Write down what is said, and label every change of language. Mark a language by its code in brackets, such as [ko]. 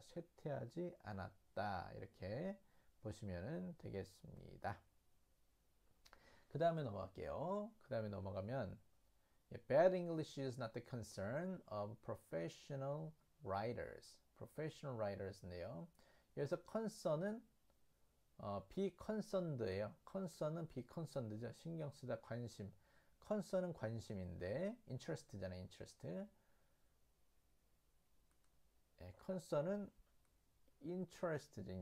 [ko] 쇠퇴하지 않았다. 이렇게 보시면 되겠습니다. 그 다음에 넘어가면 [en] Bad English is not the concern of professional writers. Professional writers인데요. [ko] 여기서 concern은 be concerned예요. concern은 be concerned죠. 신경 쓰다 관심. concern은 관심인데 interest잖아요. interest. 네, concern은 interest죠.